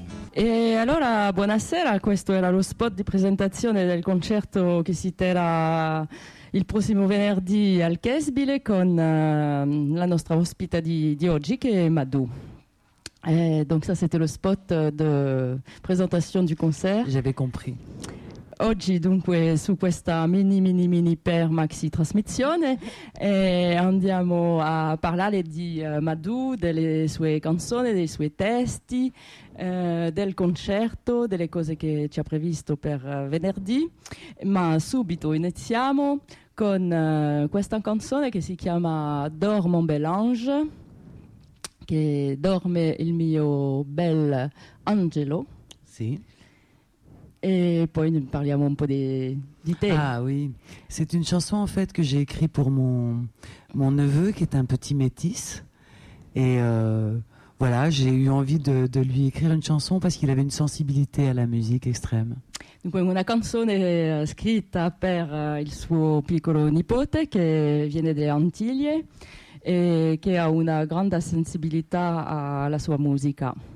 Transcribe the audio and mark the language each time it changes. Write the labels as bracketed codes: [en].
[it] E allora buonasera, questo era lo spot di presentazione del concerto che si terrà il prossimo venerdì al Quesbilé con la nostra ospite di oggi che è Madou. [fr] Et donc ça c'était le spot de présentation du concert. J'avais compris. [it] Oggi dunque su questa mini per maxi trasmissione e andiamo a parlare di Madou, delle sue canzoni, dei suoi testi, del concerto, delle cose che ci ha previsto per venerdì. Ma subito iniziamo con questa canzone che si chiama Dors mon bel ange, che dorme il mio bel angelo. Sì. E poi parliamo un po' di te. [fr] Ah oui, c'est une chanson en fait que j'ai écrite pour mon neveu qui est un petit métis. Et voilà, j'ai eu envie de lui écrire une chanson parce qu'il avait une sensibilité à la musique extrême. [it] Dunque una canzone scritta per il suo piccolo nipote che viene dalle Antiglie e che ha una grande sensibilità alla sua musica.